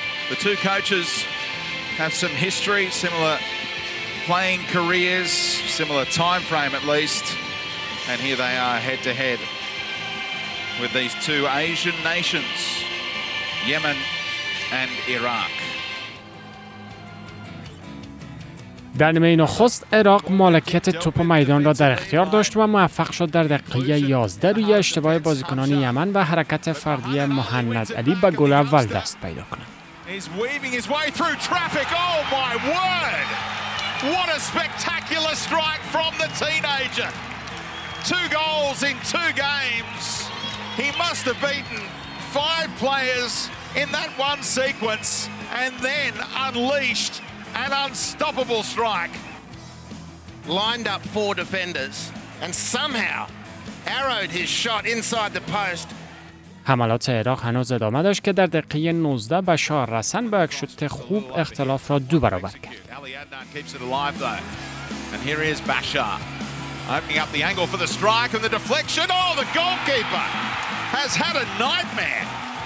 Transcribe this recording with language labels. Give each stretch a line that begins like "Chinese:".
English: The two coaches have some history, similar playing careers, similar time frame at least, and here they are head to head with these two Asian nations, Yemen and Iraq.
Persian: در نیمه نخست عراق مالکیت توپ میدان را در اختیار داشت و موفق شد در دقیقه 11 روی اشتباه بازیکنان یمن و حرکت فردی محمد علی به گل اول دست پیدا کند.
English: He's weaving his way through traffic. Oh my word! What a spectacular strike from the teenager. Two goals in two games. He must have beaten five players in that one sequence and then unleashed an unstoppable strike. Lined up four defenders and somehow arrowed his shot inside the post.
Persian: حملات عراق هنوز ادامه داشت که در دقیقه 19 بشار رسن با یک شوت خوب اختلاف را دو برابر کرد.